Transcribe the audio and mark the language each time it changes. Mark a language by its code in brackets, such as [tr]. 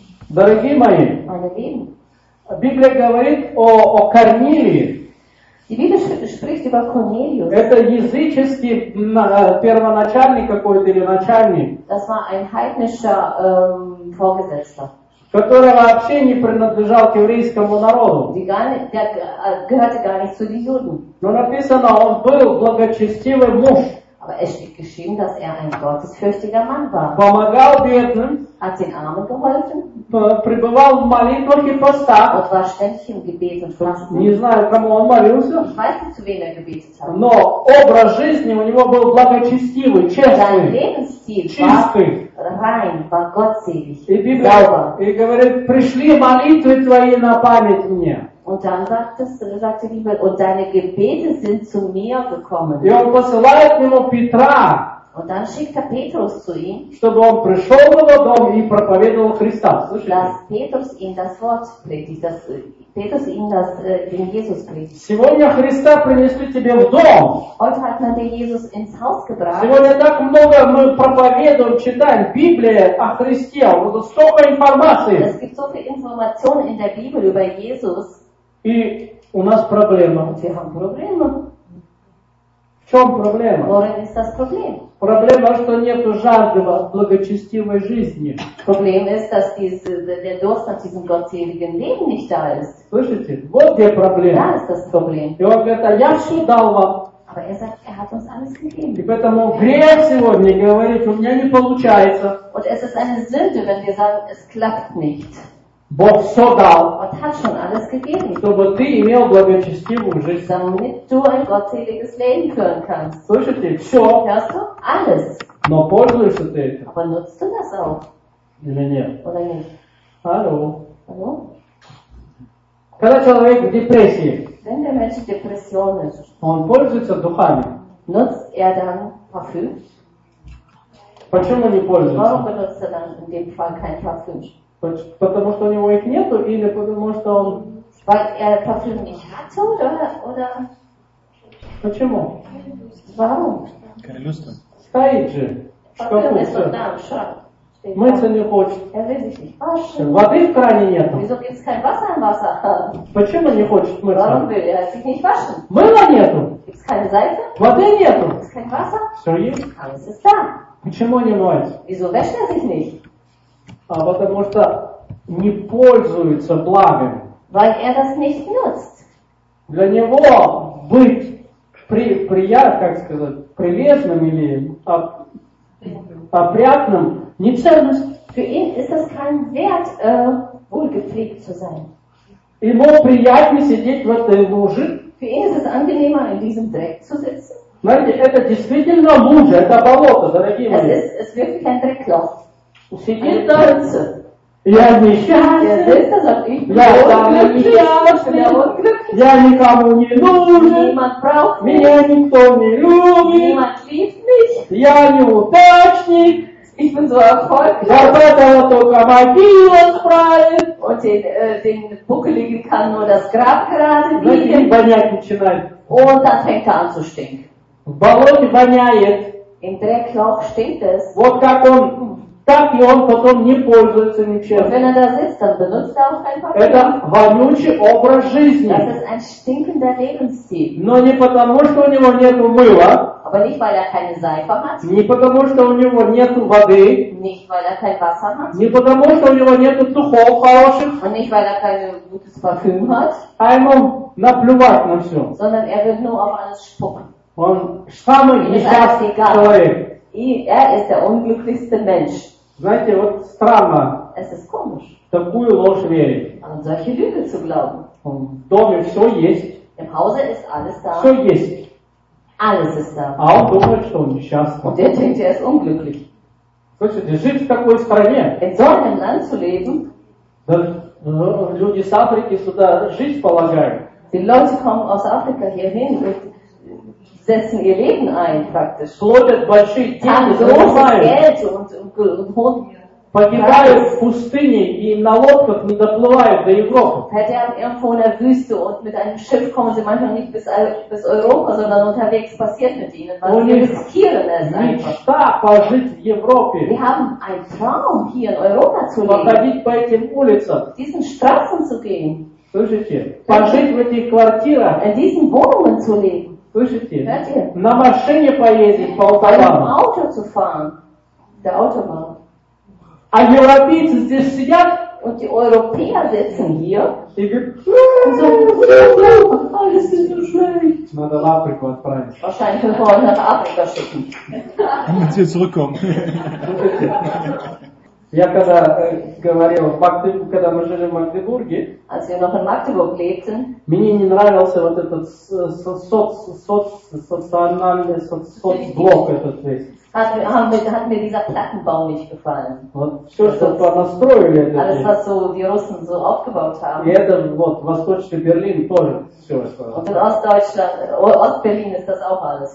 [ru] Дорогие мои, Библия говорит о Корнилии. [de] Die Bibel spricht über Cornelius. [ru] Это языческий первоначальник какой-то или начальник. [de] Das war ein heidnischer Vorgesetzter. [ru] Который вообще не принадлежал к еврейскому народу. [de] Gehörte gar nicht zu den Juden. [ru] Но написано, он был благочестивый муж. [de] Aber es steht geschrieben, dass ein gottesfürchtiger Mann war. [ru] Помогал бедным. [de] Hat den Armen geholfen. [ru] Пребывал в молитвах и постах. [de] Und war ständig im Gebet und Fasten. [ru] Не знаю, кому он молился. [de] Ich weiß nicht, zu wem gebetet hat. [ru] Но образ жизни у него был благочестивый, честный. [de] Sein Lebensstil [ru] чистый. [de] Rein, war gottselig. [ru] И Библия, и говорит, пришли молитвы твои на память мне. [de] Und dann sagt die Bibel, und deine Gebete sind zu mir gekommen. [ru] И он посылает ему Петра. [de] Und dann schickt er Petrus zu ihm. [ru] Чтобы он пришел в его дом и проповедовал Христа. Слышите? [de] Dass Petrus ihm das Wort predigt, dass Petrus ihm das, den Jesus predigt. [ru] Сегодня Христа принесли тебе в дом. [de] Heute hat man den Jesus ins Haus gebracht. [ru] Сегодня так много мы проповедуем, читаем Библию о Христе. Вот столько информации. [de] Es gibt so viel Information in der Bibel über Jesus. [ru] И у нас проблема. [de] Und wir haben Probleme. [ru] В чем проблема? [de] Worin ist das Problem? [ru] Проблема, что нету жажды в благочестивой жизни. [de] Problem ist, dass der Durst nach diesem gottseligen Leben nicht da ist. [ru] Слышите? Вот где проблема. Да, это проблема. И он говорит, а я все дал вам. [de] Aber er sagt, er hat uns alles gegeben. [ru] И поэтому грех сегодня говорить, у меня не получается. [de] Und es ist eine Sünde, wenn wir sagen, es klappt nicht. [ru] Бог все дал. [de] Gott hat schon alles gegeben. [ru] Чтобы ты имел благочестивую жизнь. [de] Damit du ein gottseliges Leben führen kannst. [ru] Слышите? Все. [de] Hörst du? Alles. [ru] Но пользуешься ты этим? [de] Aber nutzt du das auch? [ru] Или нет? [de] Oder nicht? Hallo. Hallo? [ru] Когда человек в депрессии. [de] Wenn der Mensch in Depression ist. [ru] Он пользуется духами. [de] Nutzt er dann Parfüm? [ru] Почему не пользуется? [de] Warum benutzt er dann in dem Fall kein Parfüm? [ru] Потому что у него их нету или потому что он... [de] Weil er Parfüm nicht hatte oder... [ru] Почему? [de] Warum? Kalusta. [ru] Стоит же. [de] Parfüm ist doch da, im Schrank. [ru] Мыться не хочет. [de] Er will sich nicht [ru] waschen. Воды в кране нету. [de] Wieso gibt's kein Wasser im Wasser? [ru] Почему не хочет мыться? [de] Warum will er sich nicht waschen? [ru] Мыла нету. [de] Gibt's keine Seife? [ru] Воды нету. [de] Gibt's kein Wasser? [ru] Все есть. [de] Alles ist da. [ru] Почему не моет? [de] Wieso wäscht er sich nicht? [ru] А потому что не пользуется благом. [de] Weil er das nicht nutzt. [ru] Для него быть прилежным или опрятным не ценность. [de] Für ihn ist das kein Wert, wohlgepflegt zu sein. [ru] Ему приятнее сидеть в этой луже. [de] Für ihn ist es angenehmer, in diesem Dreck zu sitzen. [ru] Знаете, это действительно лужа, это болото, дорогие мои. [de] Es wirklich ein Dreckloch. [ru] Сидит я несчастный, я никому не нужен, меня никто не любит, я неудачник, я поэтому только могилу отправит. [de] Вот den Buckeligen kann nur das Grab gerade [ru] видеть. Вонять начинает. [de] Und dann fängt er an zu stinken. [ru] В болоте воняет. [de] Im Dreckloch stinkt es. [ru] Вот как он... Так и он потом не пользуется ничем. [de] Und wenn er da sitzt, dann benutzt er auch einfach. [ru] Это вонючий образ жизни. [de] Das ist ein stinkender Lebensstil. [ru] Но не потому, что у него нет мыла. [de] Aber nicht, weil er keine Seife hat. [ru] Не потому, что у него нет воды. [de] Nicht, weil er kein Wasser hat. [ru] Не потому, что у него нет духов хороших. [de] Und nicht, weil er kein gutes Parfüm hat. [ru] А ему наплевать на все. [de] Sondern er wird nur auf alles spucken. [ru] Он самый несчастный человек. [de] И er ist der unglücklichste Mensch. [ru] Знаете, вот странно. [de] Es ist komisch. [ru] Такую ложь верить. [de] An solche Lüge zu glauben. [ru] В доме все есть. [de] Im Hause ist alles da. [ru] Все есть. [de] Alles ist da. [ru] А он думает, что он несчастный. [de] Und der denkt, er ist unglücklich. [ru] Слышите, жить в такой стране? Люди с Африки сюда жизнь полагают. [de] Die Leute kommen aus Afrika hierhin und setzen ihr Leben ein, praktisch. Haben großes Geld und [ru] погибают в пустыне и на лодках не доплывают до Европы. [de] Потерян irgendwo in der Wüste und mit einem Schiff kommen sie manchmal nicht bis Europa, sondern unterwegs passiert mit ihnen, weil sie riskieren es einfach. [ru] Мечта пожить в Европе. [de] Sie haben einen Traum, hier in Europa zu leben. [ru] Походить по этим улицам. [de] Diesen Straßen zu gehen. [ru] Слышите? Пожить в этих квартирах. [de] In diesen Wohnungen zu leben. [ru] Слышите? На машине поездить по Алтайам. [de] In Auto zu fahren. Der Autobahn. [ru] А европейцы здесь сидят, [de] und die Europäer sitzen hier, [ru] и говорят, [de] alles ist so schlecht. [ru] Надо в Африку отправить. [de] Wahrscheinlich wir wollen nach Afrika schicken. Und sie zurückkommen. [ru] Я когда говорил, когда мы жили в Магдебурге, [de] als wir noch in Magdeburg lebten, [ru] мне не нравился вот этот социальный соцблок этот весь. [de] Hat mir dieser Plattenbau nicht gefallen. Alles, was so die Russen so aufgebaut haben. Und in Ostberlin ist das auch alles